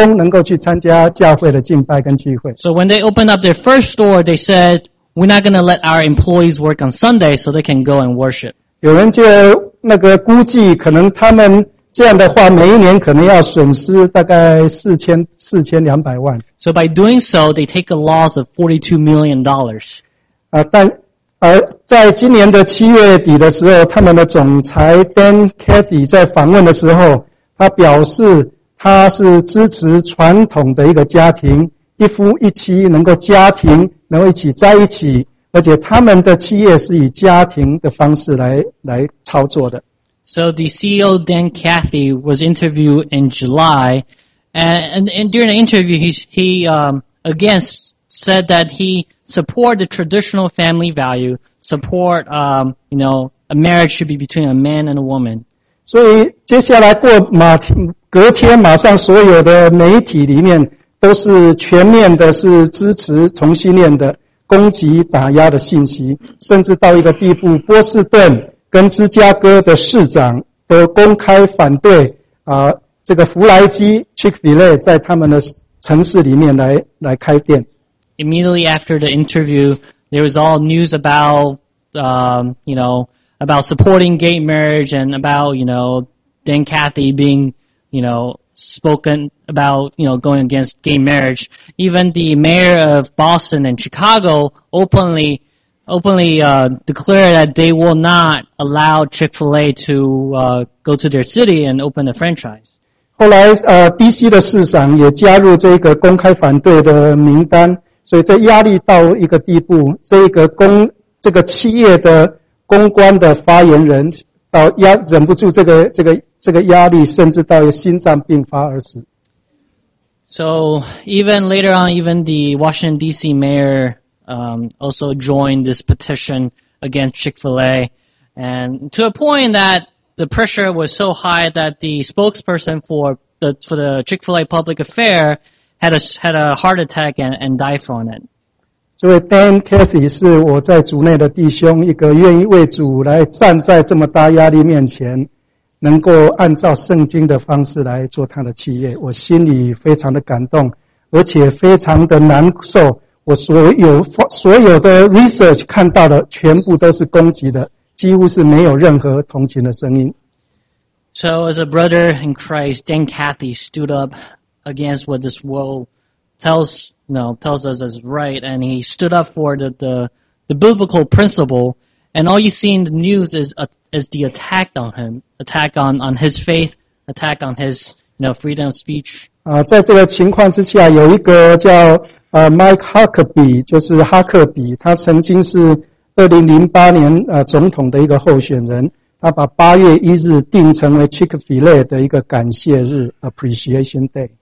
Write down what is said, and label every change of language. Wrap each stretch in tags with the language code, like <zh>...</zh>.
<zh>所以他们一开始就设定礼拜天他们是公司那个他们的店不开门，好让员工能够去参加教会的敬拜跟聚会。</zh> <en>So when they opened up their first store, they said, we're not going to let our employees work on Sunday so they can go and worship.</en> <zh>有人就那个估计可能他们 这样的话，每一年可能要损失大概四千两百万。</zh> <en>So by doing so, they take a loss of $42 million.</en> <zh>但在今年的7月底的时候，他们的总裁 Dan Cady 在访问的时候，他表示他是支持传统的一个家庭，一夫一妻能够家庭能够一起在一起，而且他们的企业是以家庭的方式 来操作的。</zh> <en>So the CEO Dan Cathy was interviewed in July, and during the interview he again said that he support the traditional family value, support you know, a marriage should be between a man and a woman.</en> <zh>所以接下来过马隔天马上所有的媒体里面都是全面的是支持同性恋的攻击打压的信息，甚至到一个地步波士顿跟芝加哥的市长都公开反对这个福莱基 Chick-fil-A 在他们的城市里面 来开店。</zh> <en>Immediately after the interview, there was all news about, you know, about supporting gay marriage and about, you know, Dan Cathy being, you know, spoken about, you know, going against gay marriage. Even the mayor of Boston and Chicago openly declared that they will not allow Chick-fil-A to go to their city and open a franchise.</en> <zh>后来DC 的市长也加入这个公开反对的名单，所以这压力到一个地步，这个企业的公关的发言人到忍不住这个压力，甚至到心脏病发而死。</zh> <en>So even later on, even the Washington D.C. mayor also joined this petition against Chick-fil-A, and to a point that the pressure was so high that the spokesperson for the Chick-fil-A public affair had a heart attack and died from it.</en> <zh>这位 Dan Cathy 是我在主内的弟兄，一个愿意为主来站在这么大压力面前，能够按照圣经的方式来做他的企业，我心里非常的感动，而且非常的难受。我所有的 research 看到的全部都是攻击的，几乎是没有任何同情的声音。</zh> <en>So as a brother in Christ, Dan Cathy stood up against what this world tells us is right, and he stood up for the biblical principle. And all you see in the news is the attack on him, attack on his faith, attack on his, you know, freedom of speech.</en> <zh>在这个情况之下，有一个叫Mike Huckabee， 就是哈克比，他曾经是2008年总统的一个候选人，他把8月1日定成为 Chick-fil-A 的一个感谢日</zh> <en>Appreciation Day。</en>